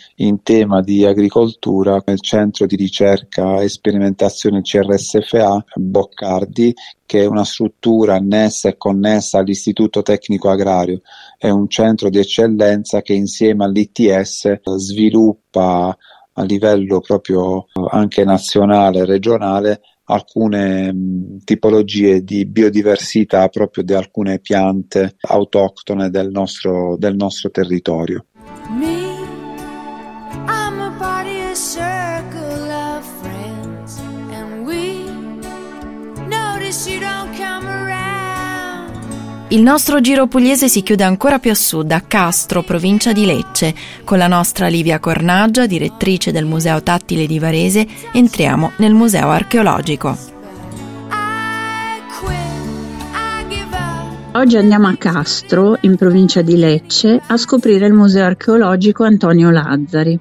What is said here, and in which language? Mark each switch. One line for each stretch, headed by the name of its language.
Italian: In tema di agricoltura, il centro di ricerca e sperimentazione CRSFA Boccardi, che è una struttura annessa e connessa all'Istituto Tecnico Agrario, è un centro di eccellenza che insieme all'ITS sviluppa a livello proprio anche nazionale e regionale alcune tipologie di biodiversità proprio di alcune piante autoctone del nostro territorio.
English: Me, I'm a part of your circle of friends, and we notice you don't come around.
Italian: Il nostro giro pugliese si chiude ancora più a sud, a Castro, provincia di Lecce. Con la nostra Livia Cornaggia, direttrice del Museo Tattile di Varese, entriamo nel Museo Archeologico. Oggi andiamo a Castro, in provincia di Lecce, a scoprire il Museo Archeologico Antonio Lazzari.